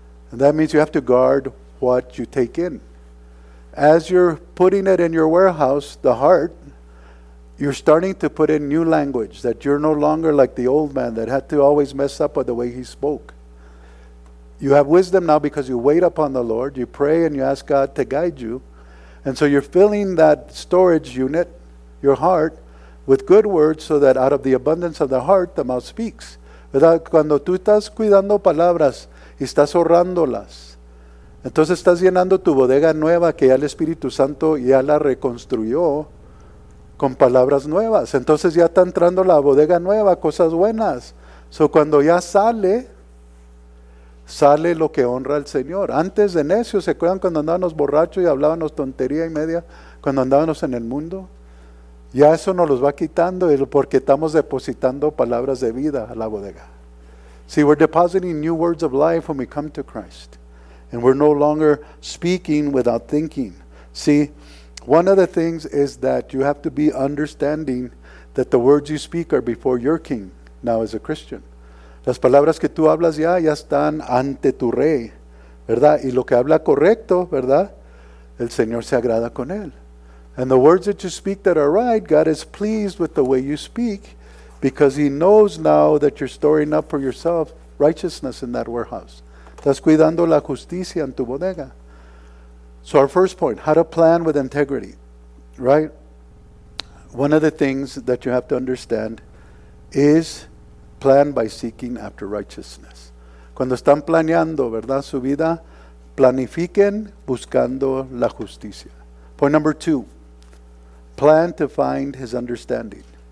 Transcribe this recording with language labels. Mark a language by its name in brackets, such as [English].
[English] And that means you have to guard what you take in. As you're putting it in your warehouse, the heart, you're starting to put in new language, that you're no longer like the old man that had to always mess up with the way he spoke. You have wisdom now because you wait upon the Lord, you pray and you ask God to guide you. And so you're filling that storage unit, your heart, with good words, so that out of the abundance of the heart, the mouth speaks. [Spanish] ¿Verdad? Cuando tú estás cuidando palabras, estás ahorrándolas. Entonces estás llenando tu bodega nueva, que ya el Espíritu Santo ya la reconstruyó con palabras nuevas. Entonces ya está entrando la bodega nueva, cosas buenas. So cuando ya sale, sale lo que honra al Señor. Antes de necios, ¿se acuerdan cuando andábamos borrachos y hablábamos tontería y media? Cuando andábamos en el mundo. Ya eso nos los va quitando, porque estamos depositando palabras de vida a la bodega. [English] See, we're depositing new words of life when we come to Christ. And we're no longer speaking without thinking. See, one of the things is that you have to be understanding that the words you speak are before your king now as a Christian. [Spanish] Las palabras que tú hablas ya, ya están ante tu rey, ¿verdad? Y lo que habla correcto, ¿verdad? El Señor se agrada con él. [English] And the words that you speak that are right, God is pleased with the way you speak, because he knows now that you're storing up for yourself righteousness in that warehouse. [Spanish] Estás cuidando la justicia en tu bodega. [English] So our first point, how to plan with integrity, right? One of the things that you have to understand is plan by seeking after righteousness. [Spanish] Cuando están planeando, ¿verdad?, su vida, planifiquen buscando la justicia. [English] Point number two, plan to find his understanding.